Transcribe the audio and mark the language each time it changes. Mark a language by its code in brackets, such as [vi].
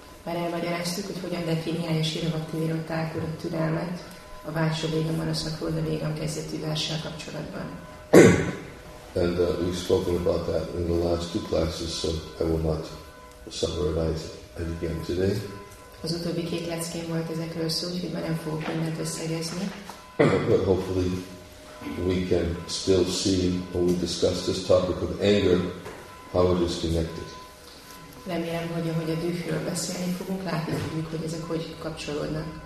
[hu] Már elmagyaráztuk, hogy hogyan definiálja Srila Bhaktivinoda Thakur a türelmet a Vachyavegam Manasakodavegam kezdetű verssel kapcsolatban. [en] And we've spoken about that in the last two classes, so I will not summarize it again today. [hu] Az utóbbi két leckén volt ezekről szó, úgyhogy már nem fogok mindent összegezni. [en] But hopefully we can still see when we discuss this topic of anger how it is connected. [hu] Remélem, hogy ahogy a dühről beszélni fogunk, látni fogjuk, hogy ezek hogy kapcsolódnak.